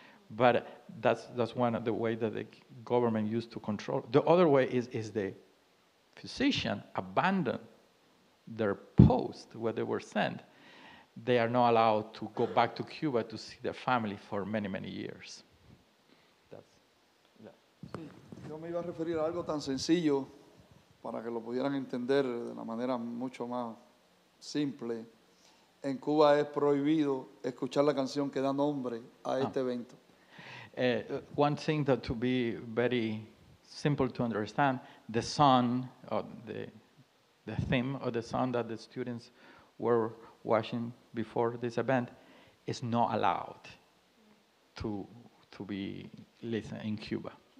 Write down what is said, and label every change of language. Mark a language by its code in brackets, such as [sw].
[en] But that's one of the ways that the government used to control. The other way is the physician abandoned their post where they were sent, they are not allowed to go back to Cuba to see their family for many, many years. [es] Yo me iba a referir a algo tan sencillo para que lo pudieran entender de la manera mucho más simple. En Cuba es prohibido escuchar la canción que da nombre a este evento. [en] One thing that to be very simple to understand, the song or the theme or the song that the students were watching before this event is not allowed to be listened in Cuba.